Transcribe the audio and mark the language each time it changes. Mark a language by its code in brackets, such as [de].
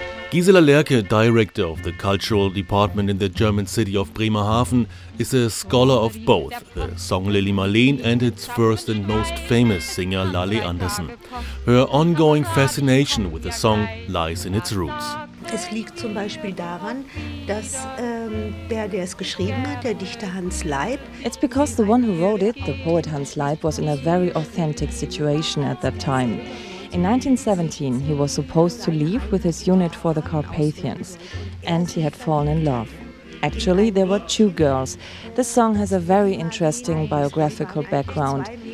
[en] Gisela Lerke, director of the cultural department in the German city of Bremerhaven, is a scholar of both the song Lili Marleen and its first and most famous singer Lali Andersen. Her ongoing fascination with the song lies in its roots. [de] Es liegt zum Beispiel daran, dass der es geschrieben hat, der Dichter Hans Leib. [en] It's because the one who wrote it, the poet Hans Leib, was in a very authentic situation at that time. In 1917, he was supposed to leave with his unit for the Carpathians, and he had fallen in love. Actually, there were two girls. This song has a very interesting biographical background.